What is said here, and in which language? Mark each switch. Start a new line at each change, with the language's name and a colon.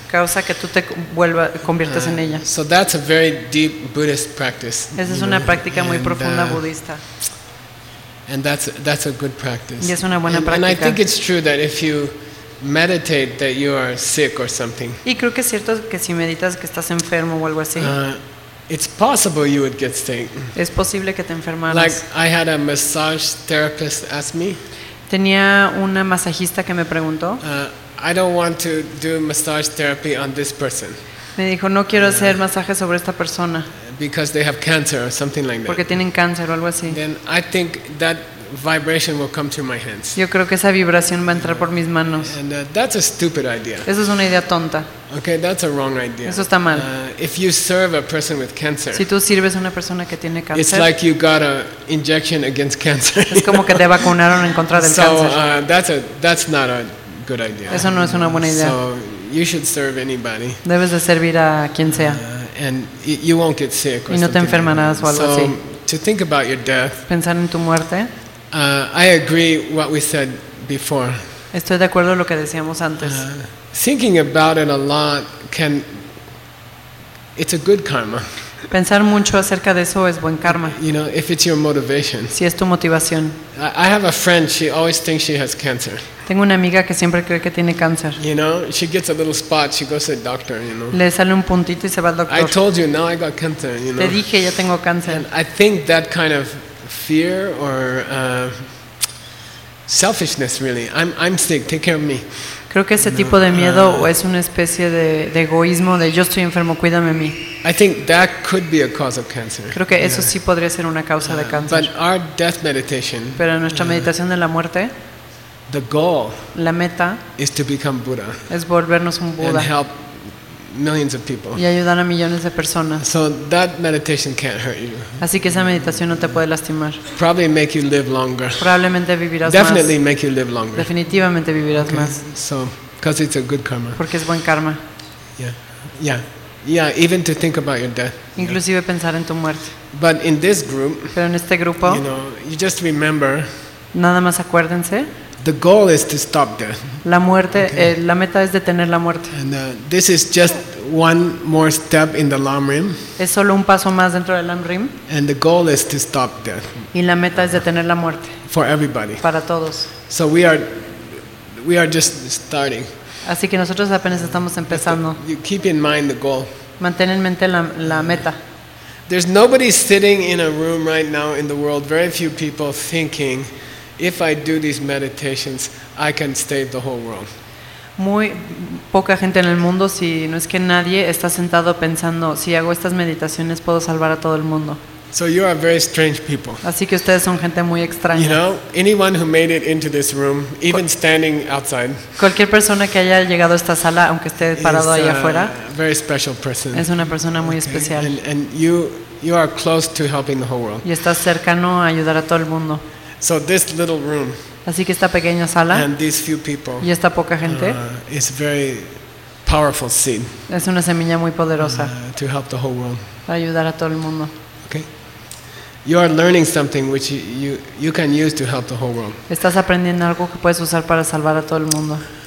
Spanish: Causa que tú te vuelvas, conviertas en ella.
English: So that's a very deep Buddhist practice.
Spanish: Esa es una práctica muy profunda budista.
English: And that's a good practice.
Spanish: Y es una buena práctica.
English: And I think it's true that if you meditate that you are sick or something.
Spanish: Y creo que es cierto que si meditas que estás enfermo o algo así.
English: It's possible you would get sick.
Spanish: Es posible que te enfermaras.
English: Like I had a massage therapist ask me.
Spanish: Tenía una masajista que me preguntó.
English: I don't want to do massage therapy on this person.
Spanish: Me dijo, no quiero hacer masaje sobre esta persona.
English: Because they have cancer or something like that.
Spanish: Porque tienen cáncer o algo así.
English: Then I think that vibration will come through my hands.
Spanish: Yo creo que esa vibración va a entrar por mis manos.
English: And that's a stupid idea.
Spanish: Eso es una idea tonta.
English: Okay, that's a wrong idea.
Spanish: Eso está mal.
English: If you serve a person with cancer.
Spanish: Si tú sirves a una persona que tiene cáncer.
English: It's like you got an injection against cancer.
Spanish: Es como que te vacunaron en contra del cáncer.
English: So that's not a good idea.
Spanish: Eso no es una buena idea.
English: So you should serve anybody.
Spanish: Debes de servir a quien sea.
English: And you won't get sick.
Spanish: Y no te enfermarás o algo así.
English: So to think about your death.
Spanish: Pensar en tu muerte.
English: I agree what we said before.
Spanish: Estoy de acuerdo con lo que decíamos antes.
English: Thinking about it a lot can. It's a good karma.
Spanish: Pensar mucho acerca de eso es buen karma.
English: You know, if it's your motivation.
Spanish: Si es tu motivación.
English: I have a friend. She always thinks she has cancer.
Spanish: Tengo una amiga que siempre cree que tiene cáncer.
English: You know, she gets a little spot. She goes to the doctor. You know.
Spanish: Le sale un puntito y se va al doctor.
English: I told you, now I got cancer. You know.
Spanish: Te dije, ya tengo cáncer.
English: And I think that kind of fear or selfishness, really. I'm sick. Take care of me.
Spanish: Creo que ese tipo de miedo es una especie de egoísmo de yo estoy enfermo, cuídame a mí.
English: I think that could be a cause of cancer.
Spanish: Creo que eso sí podría ser una causa de cáncer.
English: But our death meditation.
Spanish: Pero nuestra meditación de la muerte.
English: The goal.
Spanish: La meta.
English: Is to become Buddha.
Spanish: Es volvernos un Buda.
English: And help millions of people.
Spanish: Y ayudar a millones de personas.
English: So that meditation can't hurt you.
Spanish: Así que esa meditación no te puede lastimar.
English: Probably make you live longer.
Spanish: Probablemente vivirás
English: Definitely
Spanish: más.
English: Make you live longer.
Spanish: Definitivamente vivirás okay. más.
English: So, because it's a good karma.
Spanish: Porque es buen karma.
English: Yeah. Even to think about your death.
Spanish: Inclusive pensar en tu muerte.
English: But in this group.
Spanish: Pero en este grupo.
English: You know, you just remember.
Spanish: Nada más acuérdense.
English: The goal is to stop death.
Spanish: La muerte, okay. La meta es detener la muerte.
English: And this is just one more step in the Lam Rim.
Spanish: Es solo un paso más dentro del Lam Rim.
English: And the goal is to stop death.
Spanish: Y la meta es detener la muerte.
English: For everybody.
Spanish: Para todos.
English: So we are just starting.
Spanish: Así que nosotros apenas estamos empezando.
English: You keep in mind the goal.
Spanish: Mantén en mente la meta.
English: There's nobody sitting in a room right now in the world. Very few people thinking. If I do these meditations, I can save the whole world.
Spanish: Muy poca gente en el mundo, si no es que nadie, está sentado pensando, si hago estas meditaciones puedo salvar a todo el mundo.
English: So you are very strange people.
Spanish: Así que ustedes son gente muy extraña.
English: You know, anyone who made it into this room, even standing outside.
Spanish: Cualquier persona que haya llegado a esta sala, aunque esté parado allá afuera.
English: Very special person.
Spanish: Es una persona muy especial.
English: And you are close to helping the whole world.
Spanish: Y estás cercano a ayudar a todo el mundo.
English: So this little room.
Spanish: Así que esta pequeña sala.
English: And these few people.
Spanish: Y esta poca gente.
English: Is very powerful seed.
Spanish: Es una semilla muy poderosa.
English: To help the whole world.
Spanish: Para ayudar a todo el mundo.
English: Okay. You are learning something which you can use to help the whole world.
Spanish: Estás aprendiendo algo que puedes usar para salvar a todo el mundo.